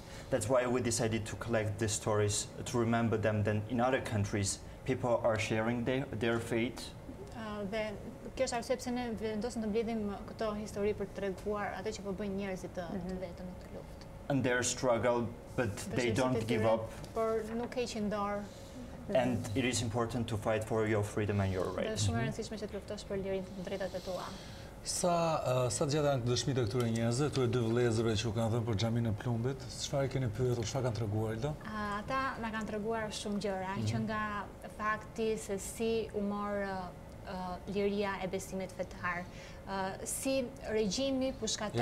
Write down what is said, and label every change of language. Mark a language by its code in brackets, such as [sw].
[en] That's why we decided to collect these stories to remember them. Then in other countries, people are sharing their fate. [sq] Kjo është arsye pse ne vendosëm të mbledhim këto histori për të treguar atë që po bëjnë njerëzit të vetëm në këtë luftë. [en] And their struggle, but they don't give up. [sq] Por nuk heqin dorë. [en] And it is important to fight for your freedom and your rights. [sq] Është shumë e rëndësishme që të luftosh për lirinë të drejtat e tua. Sa gjatë janë dëshmitë e këtyre njerëzve, këtyre dy vëllezërve që u kanë dhënë për xhamin e plumbit? Çfarë keni pyetur, çfarë kanë treguar ato? Ata na kanë treguar shumë gjëra, që nga fakti se si u mor liria e besimit fetar, si regjimi pushkatoi.